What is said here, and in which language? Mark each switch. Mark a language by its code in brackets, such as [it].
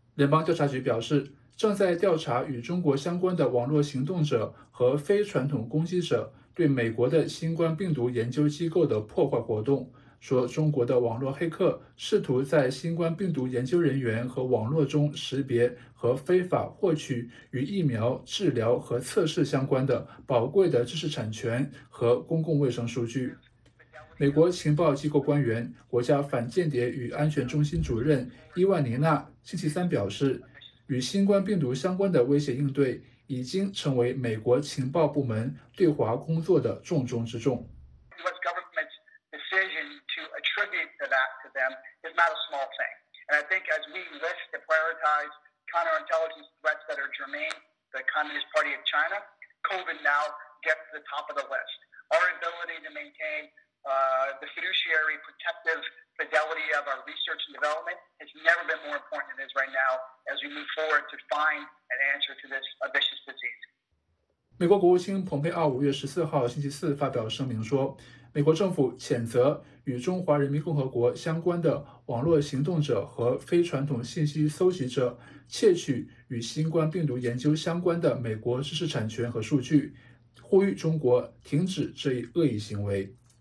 [zh] 联邦调查局表示，正在调查与中国相关的网络行动者和非传统攻击者对美国的新冠病毒研究机构的破坏活动，说中国的网络黑客试图在新冠病毒研究人员和网络中识别和非法获取与疫苗治疗和测试相关的宝贵的知识产权和公共卫生数据。美国情报机构官员、国家反间谍与安全中心主任伊万尼娜星期三表示，与新冠病毒相关的威胁应对已经成为美国情报部门对华工作的重中之重。 [en] U.S. government's decision to attribute that to them is not a small thing. And I think as we list the prioritized counterintelligence threats that are germane, the Communist Party of China, COVID now gets to the top of the list. Our ability to maintain, the fiduciary protective fidelity of our research and development has never been more important than it is right now. As we move forward to find an answer to this vicious disease. [zh] 美国国务卿蓬佩奥5月14号星期四发表声明说，美国政府谴责与中华人民共和国相关的网络行动者和非传统信息搜集者窃取与新冠病毒研究相关的美国知识产权和数据，呼吁中国停止这一恶意行为。